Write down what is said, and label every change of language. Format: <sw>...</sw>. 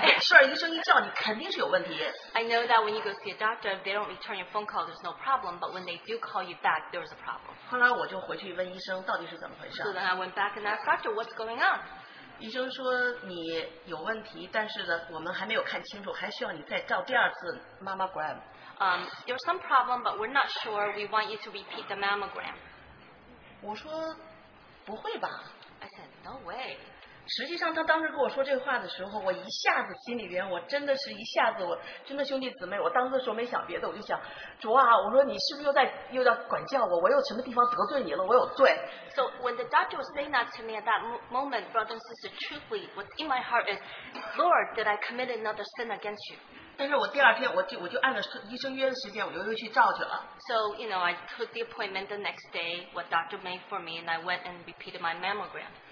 <zh>因为我知道医生，只要你去看医生，没有消息就是没事，就是好消息。如果有事儿，医生一叫你，肯定是有问题。</zh> <en>I know that when you go see a doctor, if they don't return your phone call, there's no problem. But when they do call you back, there's a problem.</en> <zh>后来我就回去问医生，到底是怎么回事。</zh> <en>So then I went back and asked doctor, what's going on?</en> <zh>医生说你有问题，但是呢，我们还没有看清楚，还需要你再照第二次 mammogram.</zh> <en>There's some problem, but we're not sure. We want you to repeat the mammogram.</en> <zh>我说不会吧。</zh> <en>I said no way.</en> <zh>实际上，他当时跟我说这话的时候，我一下子心里边，我真的是一下子，我真的兄弟姊妹，我当时的时候没想别的，我就想，主啊，我说你是不是又在管教我？我有什么地方得罪你了？我有罪。</zh> <en>So when the doctor was saying that to me at that moment, brothers and sisters, truthfully, what's in my heart is, Lord, did I commit another sin against you?</en> <zh>但是我第二天我就按照医生约的时间，我就又去照去了。</zh> <en>So you know, I took the appointment the next day, what doctor made for me, and I went and repeated my mammogram.</en>